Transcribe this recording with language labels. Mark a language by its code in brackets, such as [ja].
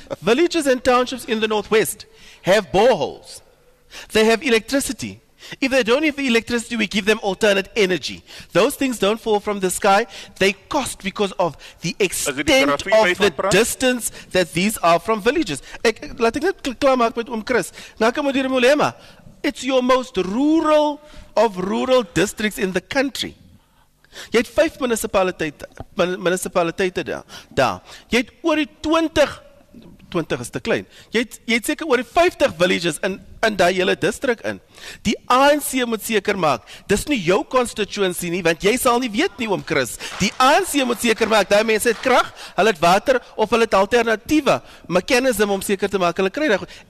[en] Villages and townships in the northwest have boreholes. They have electricity. If they don't have electricity, we give them alternate energy. Those things don't fall from the sky. They cost because of the extent of the distance that these are from villages. [af] Laat ek net klaar maak met oom Chris. Nou kom hier 'n dilemma. [en] It's your most rural of rural districts in the country. [af] Jy het 5 munisipaliteite daar. Jy het oor die 20 is te klein. Jy het seker oor die 50 villages in daai hele distrik in. Die ANC moet seker maak, dis nie jou constituency nie, want jy sal nie weet nie oom Chris. Die ANC moet seker maak, daai mense het krag, hulle het water of hulle het alternatiewe mechanism om seker te maak, hulle kry dit.